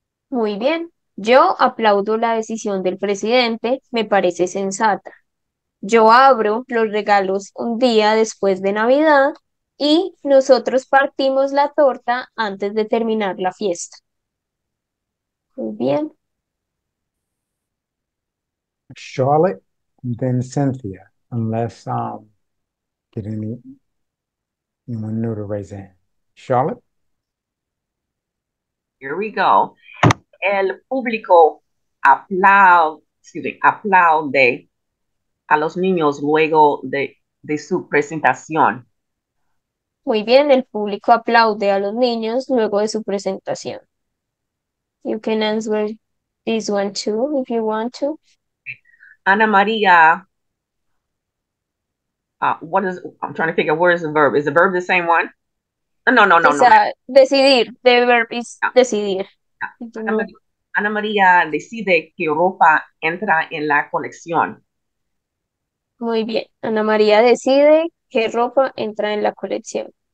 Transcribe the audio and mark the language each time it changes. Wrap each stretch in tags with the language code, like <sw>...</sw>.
<es>Muy bien. Yo aplaudo la decisión del presidente, me parece sensata. Yo abro los regalos un día después de Navidad y nosotros partimos la torta antes de terminar la fiesta. Muy bien.</es> <en>Charlotte, and then Cynthia, unless get anyone new to raise a hand. Charlotte? Here we go.</en> <es>El público aplaude a los niños luego de su presentación. Muy bien, el público aplaude a los niños luego de su presentación.</es> <en>You can answer this one too if you want to. Ana María, I'm trying to figure out where is the verb. Is the verb the same one? No. Decidir. The verb is decidir.</en> <es>Ana María decide que ropa entra en la colección. Muy bien. Ana María decide que ropa entra en la colección.</es>